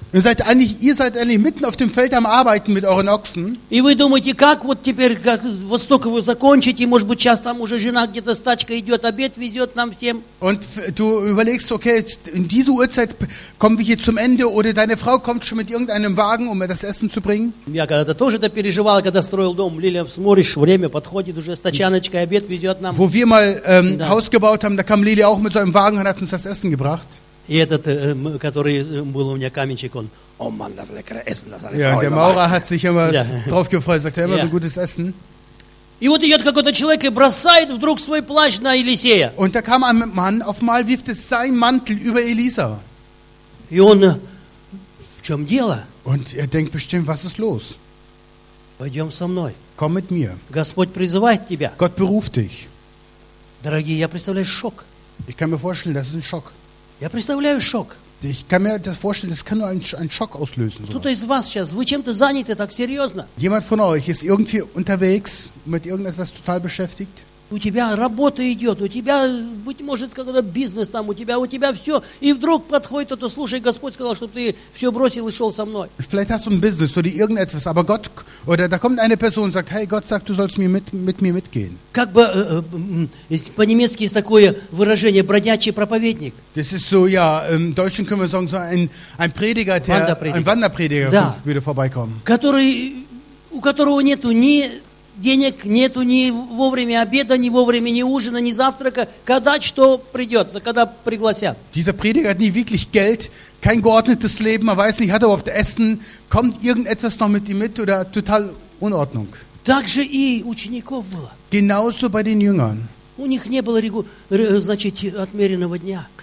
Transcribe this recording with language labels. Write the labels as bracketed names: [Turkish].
[German] Ihr seid eigentlich, mitten auf dem Feld am Arbeiten mit euren Ochsen. [Russian] И вы думаете, как вот теперь, как, вот столько вы закончите, может быть, сейчас там уже жена где-то с тачкой идет, обед везет нам всем. [German] Und du überlegst, okay, in diese Uhrzeit kommen wir hier zum Ende oder deine Frau kommt schon mit irgendeinem Wagen, um mir das Essen zu bringen. [Russian] Я когда-то тоже это переживал, когда строил дом. Лиля, смотришь, время подходит уже, с тачаночкой обед везет нам. [German] Wo wir mal [Russian] да. [German] Haus gebaut haben, da kam Lili auch mit so einem Wagen und hat uns das Essen gebracht. [Russian] И этот, который был у меня каменщик, он, о, ман, [German] das leckere Essen, das alles. Ja, der Maurer hat sich immer drauf gefreut, sagt er immer so gutes Essen. [Russian] И вот идет какой-то человек и бросает вдруг свой плащ на Елисея. [German] Und da kam ein Mann, auf einmal wirft es sein Mantel über Elisa. [Russian] И он, в чем дело? [German] Und er denkt bestimmt, was ist los? [Russian] Пойдем со мной. [German] Komm mit mir. [Russian] Господь призывает тебя. [German] Gott beruft dich. [Russian] Дорогие, я представляю шок. [German] Ich kann mir vorstellen, das ist ein Schock. [Russian] Я представляю шок. [German] Ich kann mir das vorstellen, das kann nur ein Schock auslösen. [Russian] Кто-то из вас сейчас, вы чем-то заняты так серьезно? [German] Jemand von euch ist irgendwie unterwegs, mit irgendetwas total beschäftigt. [Russian] У тебя работа идет, у тебя, быть может, какой-то бизнес там, у тебя все. И вдруг подходит кто-то, слушай, Господь сказал, что ты все бросил и шел со мной. [German] Vielleicht hast du ein Business oder irgendetwas, aber Gott, oder da kommt eine Person und sagt, hey, Gott sagt, du sollst mit mir mitgehen. [Russian] Как бы, по-немецки есть такое выражение, бродячий проповедник. [German] Das ist so, ja, im Deutschen können wir sagen, so ein Prediger, der, ein Wanderprediger [Russian] да. [German] Würde vorbeikommen. [Russian] Который, у которого нету ни... Денег нету ни вовремя обеда, ни вовремя ни ужина, ни завтрака. Когда что придется, когда пригласят. [German] Dieser Prediger hat nie wirklich Geld, kein geordnetes Leben, man weiß nicht, hat er überhaupt Essen, kommt irgendetwas noch mit ihm mit oder total Unordnung. [Russian] Так же и учеников было. [German] Genauso bei den Jüngern. [Russian] У них не было, значит, отмеренного дня.